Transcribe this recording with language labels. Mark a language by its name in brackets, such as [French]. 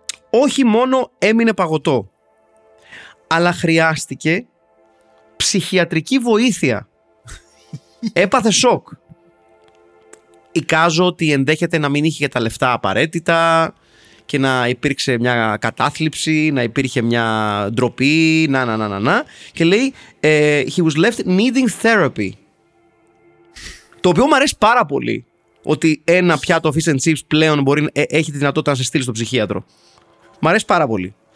[Greek] Όχι μόνο έμεινε παγωτό. Αλλά χρειάστηκε ψυχιατρική βοήθεια. Έπαθε σοκ. Εικάζω ότι ενδέχεται να μην είχε τα λεφτά απαραίτητα και να υπήρξε μια κατάθλιψη, να υπήρχε μια ντροπή, να. Και λέει, [English] he was left needing therapy. [Greek] Το οποίο μου αρέσει πάρα πολύ, ότι ένα πιάτο fish and chips πλέον μπορεί, έχει τη δυνατότητα να σε στείλει στο ψυχίατρο. Μ' αρέσει πάρα πολύ.